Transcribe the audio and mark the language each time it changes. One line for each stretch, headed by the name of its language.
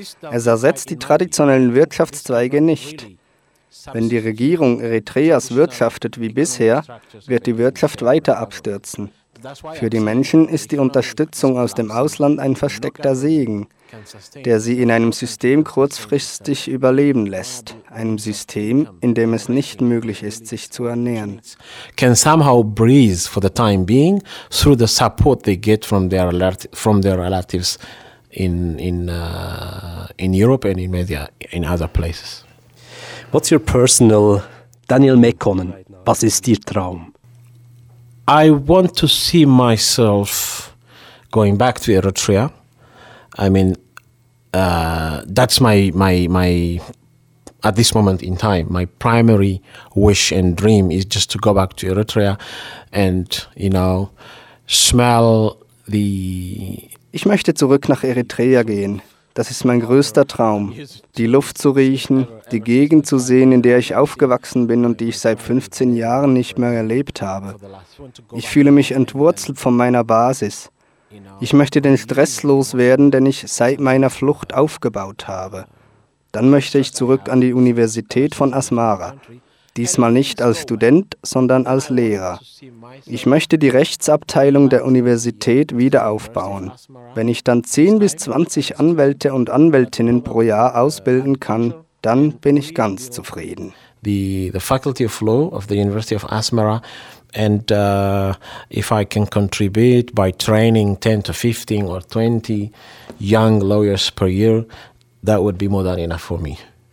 German: Es ersetzt die traditionellen Wirtschaftszweige nicht. Wenn die Regierung Eritreas wirtschaftet wie bisher, wird die Wirtschaft weiter abstürzen. Für die Menschen ist die Unterstützung aus dem Ausland ein versteckter Segen, der sie in einem System kurzfristig überleben lässt, einem System, in dem es nicht möglich ist, sich zu ernähren.
English: Can somehow breathe for the time being through the support they get from their relatives in Europe and in media in other places. What's your personal,
German: Daniel Mekkonen, was ist Ihr Traum?
English: I want to see myself going back to Eritrea. I mean, that's my at this moment in time, my primary wish and dream is just to go back to Eritrea and, you know, smell the...
German: Ich möchte zurück nach Eritrea gehen. Das ist mein größter Traum, die Luft zu riechen, die Gegend zu sehen, in der ich aufgewachsen bin und die ich seit 15 Jahren nicht mehr erlebt habe. Ich fühle mich entwurzelt von meiner Basis. Ich möchte den Stress loswerden, den ich seit meiner Flucht aufgebaut habe. Dann möchte ich zurück an die Universität von Asmara. Diesmal nicht als Student, sondern als Lehrer. Ich möchte die Rechtsabteilung der Universität wieder aufbauen. Wenn ich dann 10 bis 20 Anwälte und Anwältinnen pro Jahr ausbilden kann, dann bin ich ganz zufrieden.
English: The Faculty of Law of the University of Asmara, and if I can contribute by training 10 to 15 or 20 young lawyers per year, that would be more than enough for me.